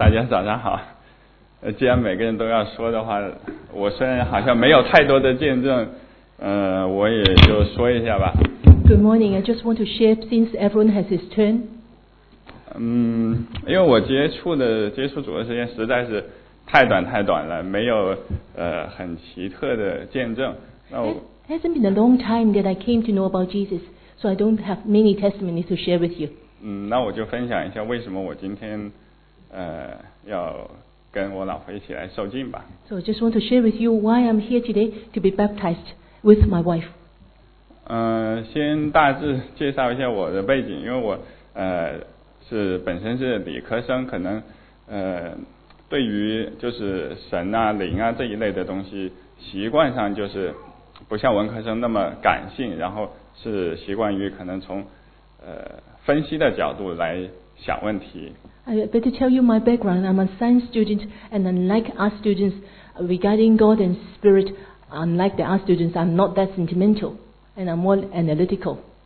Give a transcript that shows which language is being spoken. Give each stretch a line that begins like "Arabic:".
Chinese: 早上好，既然每个人都要说的话，我虽然好像没有太多的见证，我也就说一下吧。
English: Good morning. I just want to share since everyone has his turn.
Chinese: 因为我接触主的时间实在是太短了，没有很奇特的见证。那我
English: It hasn't been a long time that I came to know about Jesus, so I don't have many testimonies to share with you.
Chinese: 那我就分享一下为什么我今天。要跟我老婆一起来受浸吧。
English: So I just want to share with you why I'm here today to be baptized with my wife.
Chinese: 先大致介绍一下我的背景，因为我是本身是理科生，可能对于就是神啊灵啊这一类的东西，习惯上就是不像文科生那么感性，然后是习惯于可能从分析的角度来想问题。
English: I better tell you my background. I'm a science student, and unlike art students, regarding God and spirit, unlike the art students, I'm not that sentimental, and I'm more analytical.